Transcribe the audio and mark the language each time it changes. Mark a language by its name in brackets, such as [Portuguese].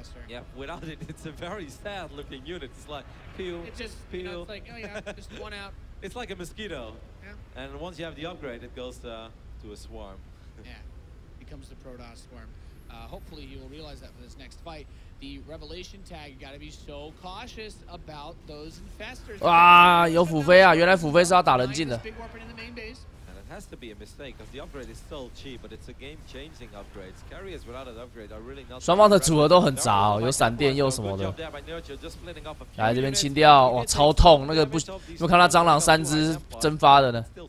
[English] Yeah, without it, it's a very sad-looking unit. It's like peel. You know, it's like, oh yeah, just one out. It's like a mosquito. Yeah. And once you have the upgrade, it goes to a swarm. Yeah, becomes the Protoss swarm. Hopefully, you will realize that for this next fight. The revelation tag, you got to be so cautious about those infestors. [Chinese] 哇，有腐飞啊！原来腐飞是要打人进的。 [English] And I think has to be a mistake because the upgrade is still cheap, but it's a game-changing upgrade. Carriers without an upgrade are really not. [Chinese] 双方的组合都很杂，有闪电又什么的。来这边清掉，哇，超痛！那个不，有没有看到蟑螂三只蒸发的呢？